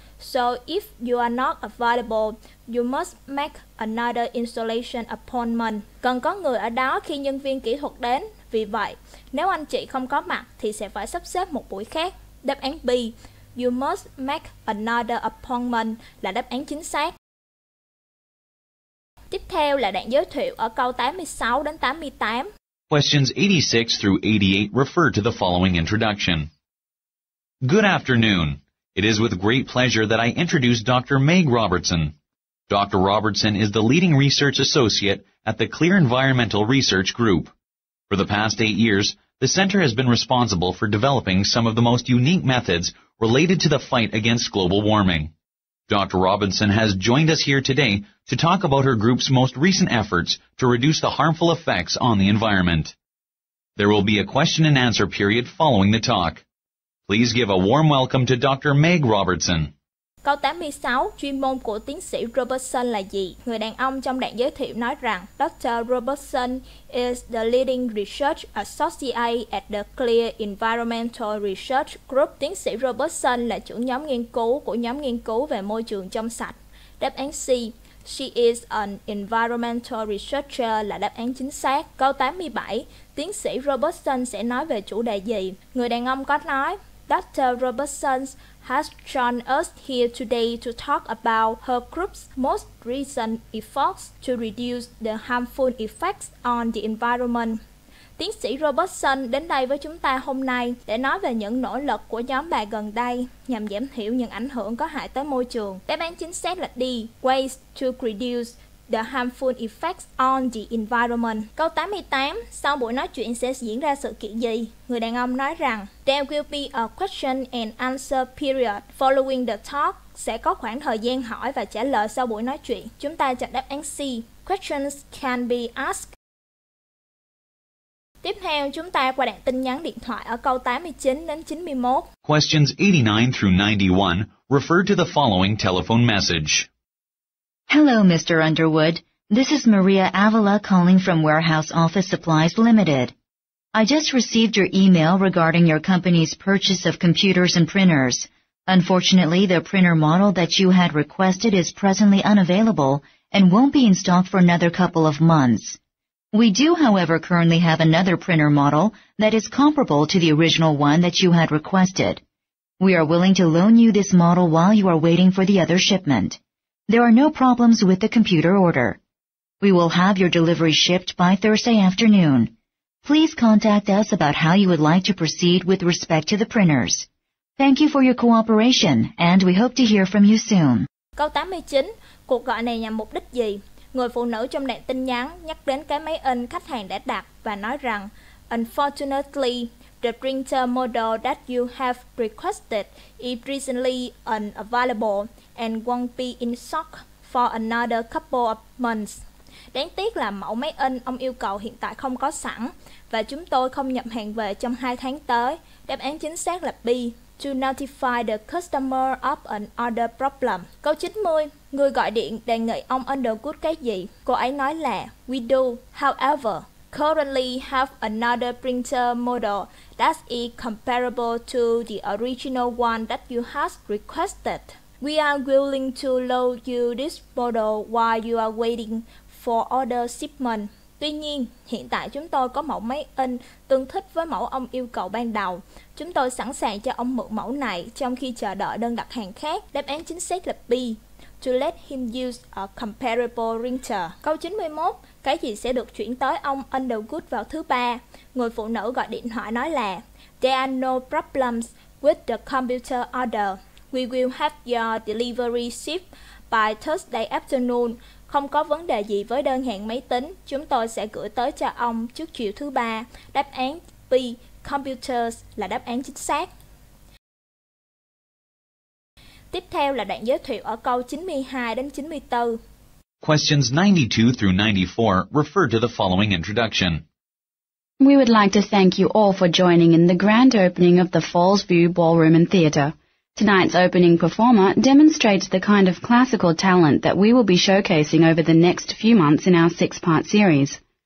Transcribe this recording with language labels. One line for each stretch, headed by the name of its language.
English: So if you are not available, you must make another installation appointment.
Vietnamese: Cần có người ở đó khi nhân viên kỹ thuật đến. Vì vậy, nếu anh chị không có mặt thì sẽ phải sắp xếp một buổi khác. Đáp án B,
English: you must make another appointment
Vietnamese: là đáp án chính xác. Tiếp theo là đoạn giới thiệu ở câu 86 đến 88.
English: Questions 86 through 88 refer to the following introduction. Good afternoon. It is with great pleasure that I introduce Dr. Meg Robertson. Dr. Robertson is the leading research associate at the Clear Environmental Research Group. For the past 8 years, the center has been responsible for developing some of the most unique methods related to the fight against global warming. Dr. Robinson has joined us here today to talk about her group's most recent efforts to reduce the harmful effects on the environment. There will be a question and answer period following the talk. Please give a warm welcome to Dr. Meg Robertson.
Vietnamese: Câu 86, chuyên môn của tiến sĩ Robertson là gì? Người đàn ông trong đoạn giới thiệu nói rằng Dr.
English: Robertson is the leading research associate at the Clear Environmental Research Group.
Vietnamese: Tiến sĩ Robertson là trưởng nhóm nghiên cứu của nhóm nghiên cứu về môi trường trong sạch. Đáp án C,
English: she is an environmental researcher
Vietnamese: là đáp án chính xác. Câu 87, tiến sĩ Robertson sẽ nói về chủ đề gì? Người đàn ông có nói Dr.
English: Robertson has joined us here today to talk about her group's most recent efforts to reduce the harmful effects on the environment.
Vietnamese: Tiến sĩ Robertson đến đây với chúng ta hôm nay để nói về những nỗ lực của nhóm bà gần đây nhằm giảm thiểu những ảnh hưởng có hại tới môi trường. Đáp án chính xác là D,
English: ways to reduce the harmful effects on the environment.
Vietnamese: Câu 88, sau buổi nói chuyện sẽ diễn ra sự kiện gì? Người đàn ông nói rằng,
English: there will be a question and answer period following the talk.
Vietnamese: Sẽ có khoảng thời gian hỏi và trả lời sau buổi nói chuyện. Chúng ta chọn đáp án C,
English: questions can be asked.
Vietnamese: Tiếp theo, chúng ta qua đoạn tin nhắn điện thoại ở câu 89 đến 91.
English: Questions 89 through 91 refer to the following telephone message. Hello, Mr. Underwood. This is Maria Avila calling from Warehouse Office Supplies Limited. I just received your email regarding your company's purchase of computers and printers. Unfortunately, the printer model that you had requested is presently unavailable and won't be in stock for another couple of months. We do, however, currently have another printer model that is comparable to the original one that you had requested. We are willing to loan you this model while you are waiting for the other shipment. There are no problems with the computer order. We will have your delivery shipped by Thursday afternoon. Please contact us about how you would like to proceed with respect to the printers. Thank you for your cooperation, and we hope to hear from you soon.
Vietnamese: Câu 89, cuộc gọi này nhằm mục đích gì? Người phụ nữ trong đoạn tin nhắn nhắc đến cái máy in khách hàng đã đặt và nói rằng
English: Unfortunately, the printer model that you have requested is recently unavailable and won't be in stock for another couple of months.
Vietnamese: Đáng tiếc là mẫu máy in ông yêu cầu hiện tại không có sẵn và chúng tôi không nhập hàng về trong 2 tháng tới. Đáp án chính xác là B,
English: to notify the customer of an order problem.
Vietnamese: Câu 90, người gọi điện đề nghị ông Underwood cái gì? Cô ấy nói là
English: We do, however, currently have another printer model that is comparable to the original one that you have requested. We are willing to load you this model while you are waiting for order shipment.
Vietnamese: Tuy nhiên, hiện tại chúng tôi có mẫu máy in tương thích với mẫu ông yêu cầu ban đầu. Chúng tôi sẵn sàng cho ông mượn mẫu này trong khi chờ đợi đơn đặt hàng khác. Đáp án chính xác là B.
English: To let him use a comparable printer.
Vietnamese: Câu 91. Cái gì sẽ được chuyển tới ông Underwood vào thứ ba? Người phụ nữ gọi điện thoại nói là
English: There are no problems with the computer order. We will have your delivery shipped by Thursday afternoon.
Vietnamese: Không có vấn đề gì với đơn hàng máy tính. Chúng tôi sẽ gửi tới cho ông trước chiều thứ ba. Đáp án B, computers, là đáp án chính xác. Tiếp theo là đoạn giới thiệu ở câu 92 đến 94.
English: Questions 92 through 94 refer to the following introduction. We would like to thank you all for joining in the grand opening of the Falls View Ballroom and Theatre. Tonight's opening performer demonstrates the kind of classical talent that we will be showcasing over the next few months in our six-part series.